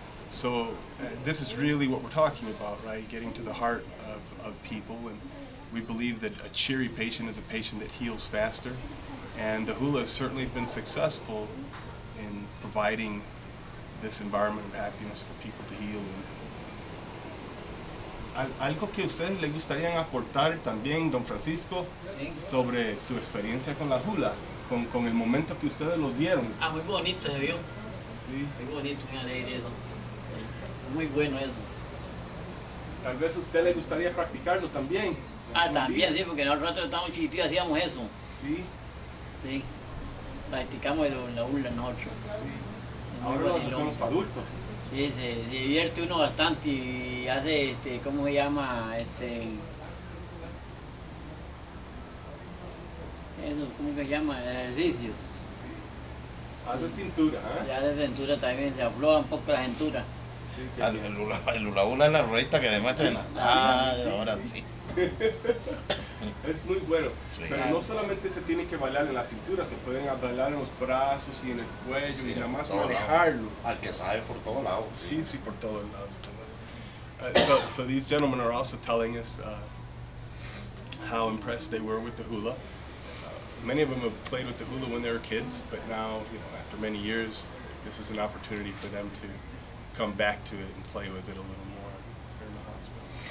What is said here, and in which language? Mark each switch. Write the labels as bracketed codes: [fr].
[en] So this is really what we're talking about, right? Getting to the heart of people, and we believe that a cheery patient is a patient that heals faster, and the hula has certainly been successful in providing this environment of happiness for people to heal. [es] Algo que ustedes le gustarían aportar también, Don Francisco, sobre su experiencia con la hula, con el momento que ustedes los vieron. Ah, muy bonito se vio. Sí. Muy bonito, qué alegre eso. Muy bueno eso. Tal vez a usted le gustaría practicarlo también. Ah, también, sí, porque nosotros estábamos chiquitos y hacíamos eso. Sí. Sí. Practicamos eso en la hula nosotros. Sí. Ahora los hacemos para adultos. Sí, se divierte uno bastante y hace, ¿cómo se llama? Eso, ¿cómo se llama? Ejercicios. Sí. Hace cintura, ¿eh? Y hace cintura también, se afloja un poco la cintura. Sí, el hula hula es la ruedita que además sí, tiene. Sí. Es muy bueno, sí, pero no solamente se tiene que bailar en la cintura, se pueden bailar en los brazos y en el cuello, sí, y nada más manejarlo. Al que sabe por todos lados. Sí, sí, por todos lados. [en] So these gentlemen are also telling us how impressed they were with the hula. Many of them have played with the hula when they were kids, but now, you know, after many years, this is an opportunity for them to come back to it and play with it a little more here in the hospital.